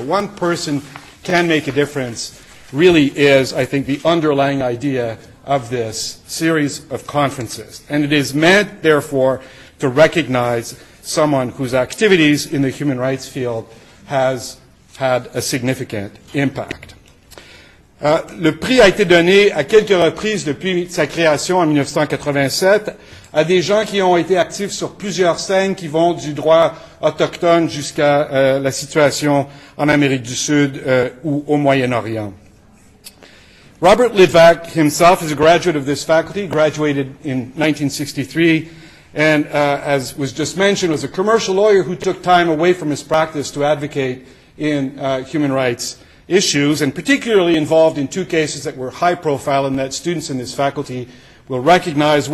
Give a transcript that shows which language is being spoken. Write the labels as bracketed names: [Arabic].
[English] One person can make a difference really is, I think, the underlying idea of this series of conferences. And it is meant, therefore, to recognize someone whose activities in the human rights field has had a significant impact. [French] Le prix a été donné à quelques reprises depuis sa création en 1987 à des gens qui ont été actifs sur plusieurs scènes qui vont du droit autochtone jusqu'à la situation en Amérique du Sud ou au Moyen-Orient. [English] Robert Litvack himself is a graduate of this faculty, graduated in 1963, and as was just mentioned, was a commercial lawyer who took time away from his practice to advocate in human rights issues, and particularly involved in two cases that were high profile and that students in this faculty will recognize.